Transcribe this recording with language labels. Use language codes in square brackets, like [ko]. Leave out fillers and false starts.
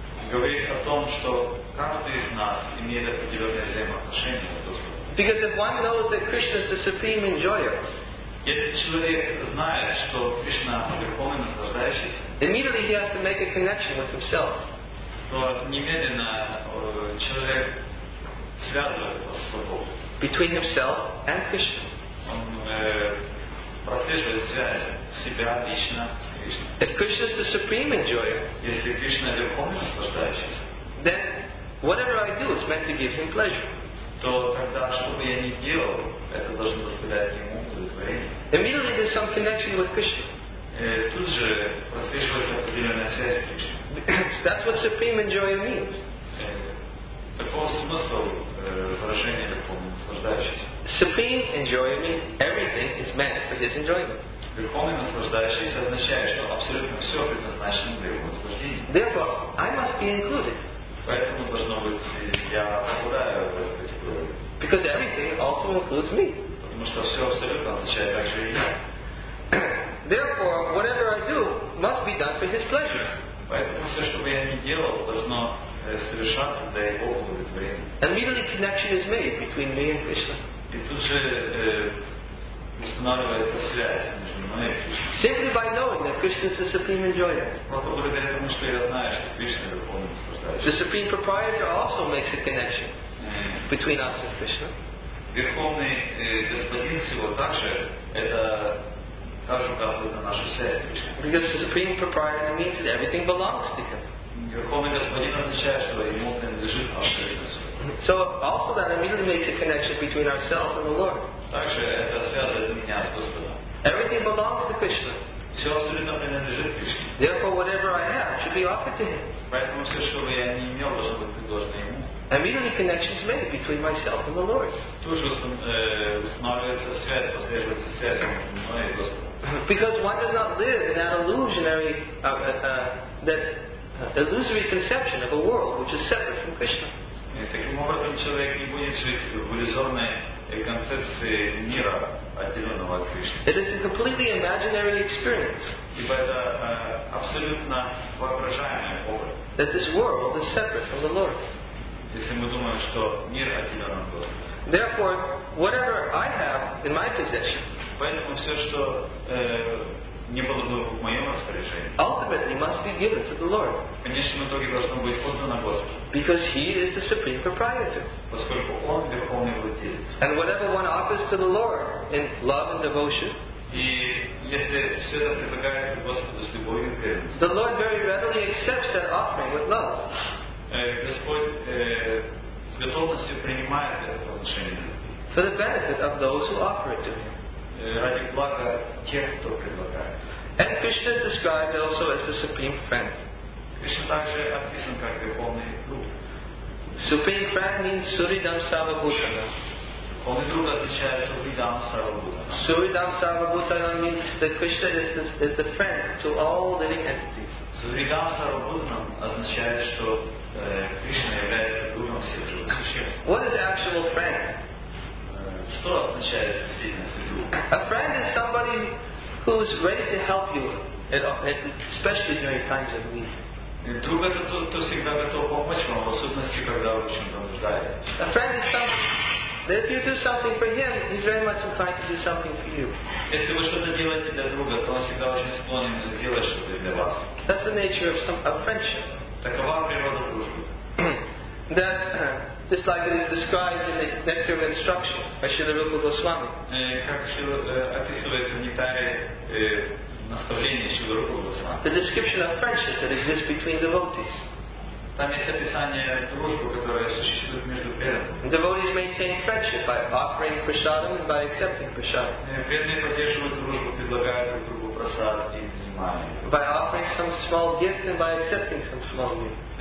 [ru] Говорит о том, что каждый из нас имеет определенное взаимоотношение с Господом. [en] Because if one knows that Krishna is the supreme enjoyer, [ru] если человек знает, что Кришна верховный наслаждающийся, [en] immediately he has to make a connection with himself. [ru] То немедленно человек связывается с собой. [en] Between himself and Krishna. [ru] Он прослеживает связь себя лично с Кришной. [en] If Krishna is the supreme enjoyer, [ru] если Кришна верховный наслаждающийся, [en] then whatever I do is meant to give him pleasure. [ru] То тогда, что бы я ни делал, это должно доставлять ему удовлетворение. [en] Immediately there's some connection with Krishna. [ru] Тут же прослеживается определенная связь с Кришной. [en] That's what supreme enjoyer means. [ru] Таков смысл выражения верховный наслаждающийся. [en] Supreme enjoyer means everything is meant for his enjoyment. [ru] Верховный наслаждающийся означает, что абсолютно все предназначено для его наслаждения. [en] Therefore, I must be included. [ru] Поэтому должно быть, я попадаю в эту категорию. [en] Because everything also includes me. [ru] Потому что все абсолютно означает также и я. [en] Therefore, whatever I do must be done for his pleasure. [ru] Поэтому все, что бы я ни делал, должно совершаться для его удовлетворения. [en] Immediately connection is made between me and Krishna. [ru] И тут же устанавливается связь между мной и Кришной. [en] Simply by knowing that Krishna is the supreme enjoyer. [ru] Просто благодаря тому, что я знаю, что Кришна верховный наслаждающийся. [en] The supreme proprietor also makes a connection between us and Krishna. [ru] Верховный господин всего также это также указывает на нашу связь с Кришной. [en] Because the supreme proprietor means that everything belongs to him. [ru] Верховный господин означает, что ему принадлежит абсолютно все. [en] So also that immediately makes a connection between ourselves and the Lord. [ru] Также это связывает меня с Господом. [en] Everything belongs to Krishna. [ru] Все абсолютно принадлежит Кришне. [en] Therefore, whatever I have should be offered to him. [ru] Поэтому все, что бы я ни имел, должно быть предложено ему. [en] Immediately connection is made between myself and the Lord. [ru] Тут же устанавливается связь, прослеживается связь между мной и Господом. [en] Because one does not live in that illusionary that illusory conception of a world which is separate from Krishna. [ru] Таким образом, человек не будет жить в иллюзорной и концепции мира, отделенного от Кришны. [en] It is a completely imaginary experience. [ru] Ибо это абсолютно воображаемый опыт. [en] That this world is separate from the Lord. [ru] Если мы думаем, что мир отделен от Бога. [en] Therefore, whatever I have in my possession, [ru] поэтому все, что не было бы в моем распоряжении, [en] ultimately must be given to the Lord. [ru] Конечно, в итоге должно быть отдано Господу. [en] Because He is the supreme proprietor. [ru] Поскольку Он верховный владелец. [en] And whatever one offers to the Lord in love and devotion, [ru] и если все это предлагается Господу с любовью и преданностью, [en] the Lord very readily accepts that offering with love. [ru] Господь с готовностью принимает это подношение. [en] For the benefit of those who offer it to Him. [ru] Ради блага тех, кто предлагает. [en] And Krishna is described also as the supreme friend. [ru] Krishna также описан как верховный друг. [en] Supreme friend means Suridam Savabhutana. [ru] Верховный друг означает Suridam Savabhutana. [en] Suridam Savabhutana means that Krishna is the friend to all living entities. [ru] Suridam Savabhutana означает, что Krishna является другом всех живых существ. [en] What is actual friend? [ru] Что означает действительно друг? [en] A friend is somebody who is ready to help you, especially during times of need. [ru] Друг это тот, кто всегда готов помочь вам, в особенности, когда вы в чем-то нуждаетесь. [en] A friend is somebody, if you do something for him, he's very much inclined to do something for you. [ru] Если вы что-то делаете для друга, то он всегда очень склонен сделать что-то для вас. [en] That's the nature of some of friendship. [ru] Такова природа дружбы. [en] That just like it is described in the Nectar of Instruction by Srila Rupa Goswami. [ru] Как описывается в Нектаре наставление Шрила Рупа Госвами. [en] The description of friendship that exists between devotees. [ru] Там есть описание дружбы, которая существует между преданными. [en] Devotees maintain friendship by offering prasadam and by accepting prasadam. [ru] Преданные поддерживают дружбу, предлагают друг другу прасад и внимание. [en] By offering some small gift and by accepting some small gift.